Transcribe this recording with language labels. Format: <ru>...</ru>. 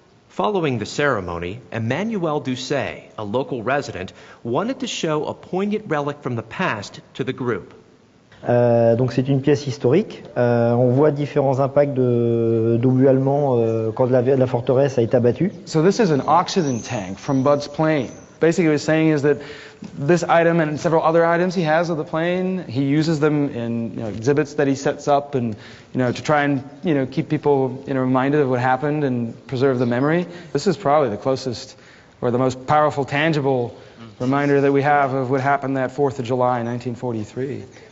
<en>Following the ceremony, Emmanuel Doucet, a local resident, wanted to show a poignant relic from the past to the group.</en> <fr>Donc c'est une pièce historique. On voit différents impacts d'obus allemands quand la forteresse a été abattue.</fr> <en>So this is an oxygen tank from Bud's plane. Basically, what he's saying is that this item and several other items he has of the plane, he uses them in exhibits that he sets up and to try and keep people reminded of what happened and preserve the memory. This is probably the closest or the most powerful tangible reminder that we have of what happened that 4th of July, 1943.</en>